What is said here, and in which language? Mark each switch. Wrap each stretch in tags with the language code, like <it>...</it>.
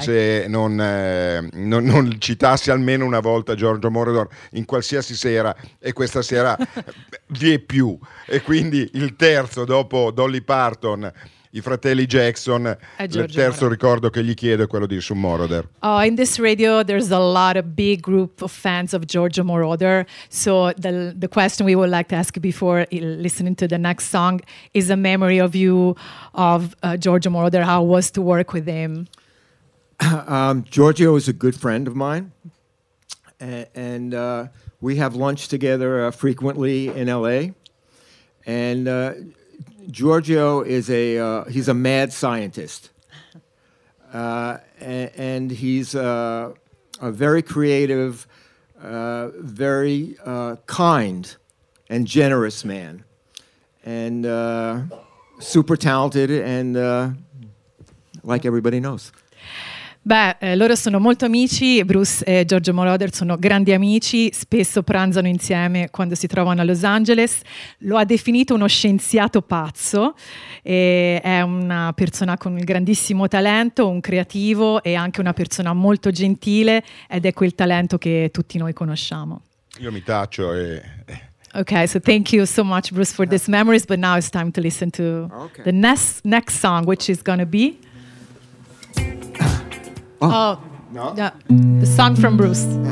<it>se non citassi almeno una volta Giorgio Moroder in qualsiasi sera, e questa sera vi è più, e quindi il terzo dopo Dolly Parton, i fratelli Jackson, il terzo ricordo che gli chiedo è quello di Sue Moroder.</it> <en>Oh, in this radio there's a lot of big group of fans of Giorgio Moroder, so the question we would like to ask before listening to the next song is a memory of you of Giorgio Moroder, how it was to work with him. Giorgio is a good friend of mine, and we have lunch together frequently in LA, and Giorgio is he's a mad scientist, and he's a very creative, very kind and generous man, and super talented, and like everybody knows.</en> <it>Beh, loro sono molto amici, Bruce e Giorgio Moroder sono grandi amici, spesso pranzano insieme quando si trovano a Los Angeles. Lo ha definito uno scienziato pazzo, e è una persona con un grandissimo talento, un creativo e anche una persona molto gentile, ed è quel talento che tutti noi conosciamo. Io mi taccio e...</it> <en>Okay, so thank you so much, Bruce, for these memories, but now it's time to listen to the next song, which is gonna be... The song from Bruce.</en>